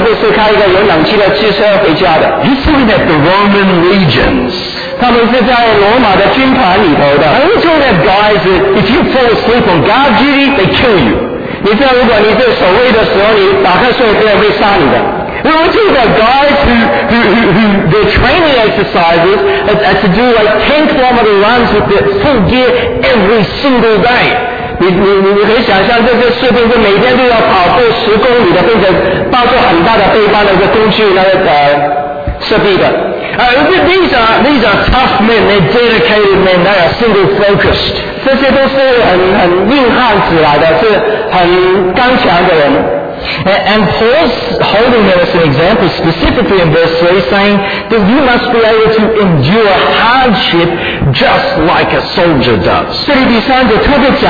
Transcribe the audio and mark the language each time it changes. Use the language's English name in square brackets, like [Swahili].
[Chinese] 那这些人呢，以前的精兵，他们周末的时候都是开一个有冷气的汽车回家的。 [English] He's talking about the Roman legions. [Chinese] 他们是在罗马的军团里头的。 [English] And he's talking about guys that if you fall asleep on guard duty, they kill you. [Chinese] 你知道，如果你在守卫的时候，你打瞌睡，别人会杀你的。 [English] We're talking about guys who their training exercises are to do like 10 kilometer runs with their full gear every single day. [Chinese] 你可以想象这些士兵是每天都要跑步10公里的，并且抱着很大的背包的一个工具，那个设备的。 [English] These are tough men, they're dedicated men, they are single focused. [Chinese] 这些都是很硬汉子来的，是很刚强的人。 [English] And Paul's holding that as an example specifically in verse 3, saying that you must be able to endure hardship just like a soldier does.